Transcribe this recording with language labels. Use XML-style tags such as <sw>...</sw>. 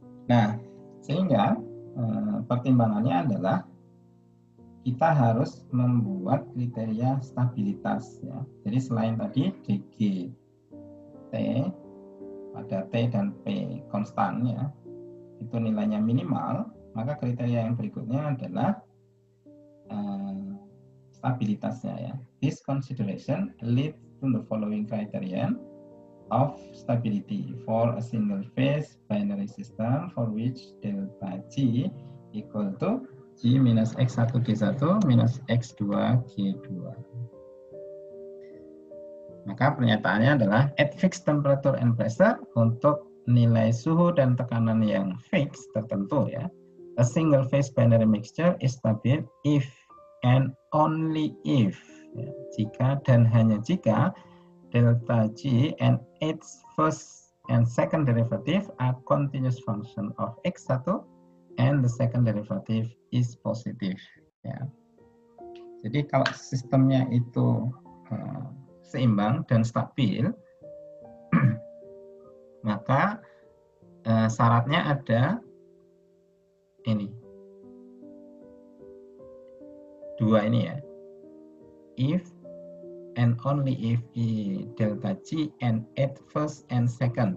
<id>Nah, sehingga pertimbangannya adalah kita harus membuat kriteria stabilitas ya. Jadi selain tadi DG T pada T dan P konstan ya, itu nilainya minimal, maka kriteria yang berikutnya adalah stabilitasnya ya.</id> <en>This consideration leads to the following criterion of stability for a single phase binary system for which delta G equal to G minus X1 G1 minus X2 G2.</en> <id>Maka pernyataannya adalah</id> <en>at fixed temperature and pressure,</en> <id>untuk nilai suhu dan tekanan yang fix tertentu ya,</id> <en>a single phase binary mixture is stable if and only if ya,</en> <id>jika dan hanya jika</id> <en>delta G and its first and second derivative are continuous function of X1 and the second derivative is positive ya.</en> <id>Jadi kalau sistemnya itu seimbang dan stabil maka syaratnya ada ini. Dua ini ya.</id> <en>If and only if delta G and at first and second.</en>